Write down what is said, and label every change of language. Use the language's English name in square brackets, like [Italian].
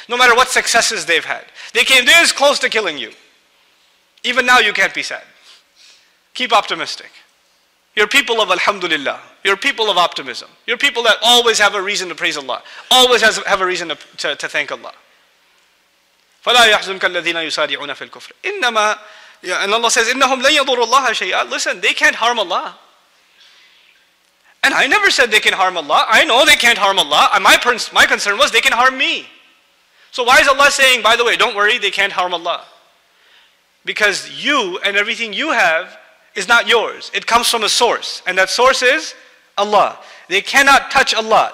[English] No matter what successes they've had. They came this close to killing you. Even now you can't be sad. Keep optimistic. You're people of alhamdulillah. You're people of optimism. You're people that always have a reason to praise Allah. Always have a reason to thank Allah. [Arabic] فَلَا يَحْزُنْكَ الَّذِينَ يُسَارِعُونَ فِي الْكُفْرِ إِنَّمَا And Allah says, إِنَّهُمْ لَنْ يَضُرُوا اللَّهَ شَيْئًا Listen, they can't harm Allah. [English] And I never said they can harm Allah. I know they can't harm Allah. My concern was they can harm me. So why is Allah saying, by the way, don't worry, they can't harm Allah? Because you and everything you have is not yours. It comes from a source. And that source is Allah. They cannot touch Allah.